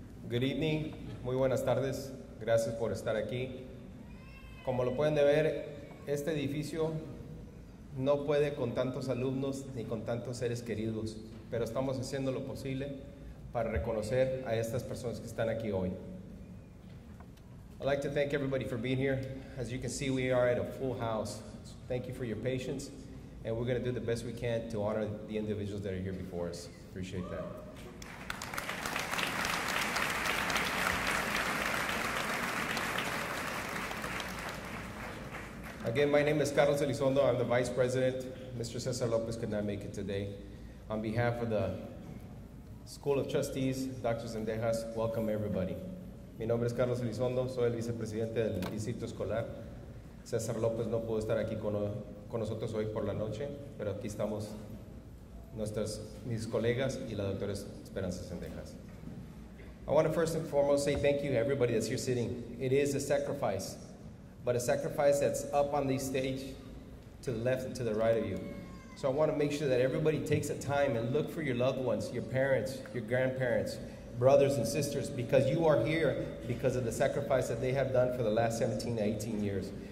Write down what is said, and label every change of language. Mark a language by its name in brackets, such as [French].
[English] Good evening, [Spanish] muy buenas tardes, gracias por estar aquí. Como lo pueden ver, este edificio no puede con tantos alumnos ni con tantos seres queridos, pero estamos haciendo lo posible para reconocer a estas personas que están aquí hoy. [English] I'd like to thank everybody for being here. As you can see, we are at a full house. So thank you for your patience, and we're going to do the best we can to honor the individuals that are here before us. Appreciate that. Again, my name is Carlos Elizondo. I'm the Vice President. Mr. Cesar Lopez could not make it today. On behalf of the School of Trustees, Dr. [Spanish] Zendejas, [English] welcome everybody. [Spanish] Mi nombre es Carlos Elizondo. Soy el vicepresidente del Distrito Escolar. Cesar Lopez no pudo estar aquí con nosotros hoy por la noche, pero aquí estamos nuestras mis colegas y la doctora Esperanza Zendejas. [English] I want to first and foremost say thank you to everybody that's here sitting. It is a sacrifice. But a sacrifice that's up on the stage to the left and to the right of you. So I want to make sure that everybody takes a time and look for your loved ones, your parents, your grandparents, brothers and sisters, because you are here because of the sacrifice that they have done for the last 17 to 18 years.